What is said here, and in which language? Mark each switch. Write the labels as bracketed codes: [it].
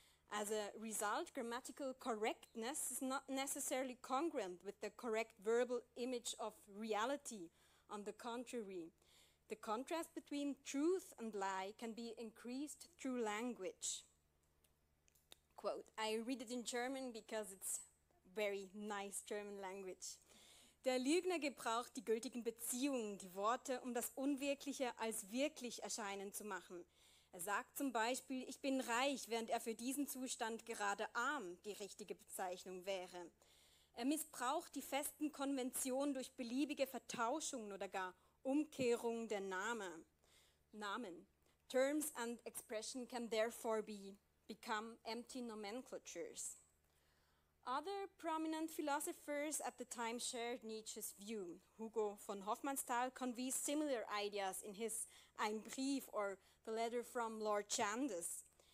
[en] As a result, grammatical correctness is not necessarily congruent with the correct verbal image of reality. On the contrary, the contrast between truth and lie can be increased through language. Quote, I read it in German because it's very nice German language. [de] "Der Lügner gebraucht die gültigen Beziehungen, die Worte, um das Unwirkliche als wirklich erscheinen zu machen. Er sagt zum Beispiel, ich bin reich, während er für diesen Zustand gerade arm die richtige Bezeichnung wäre. Er missbraucht die festen Konventionen durch beliebige Vertauschungen oder gar Umkehrungen der Namen. [en] Terms and expression can therefore become empty nomenclatures. Other prominent philosophers at the time shared Nietzsche's view. Hugo von Hofmannsthal conveys similar ideas in his Ein Brief, or the letter from Lord Chandos.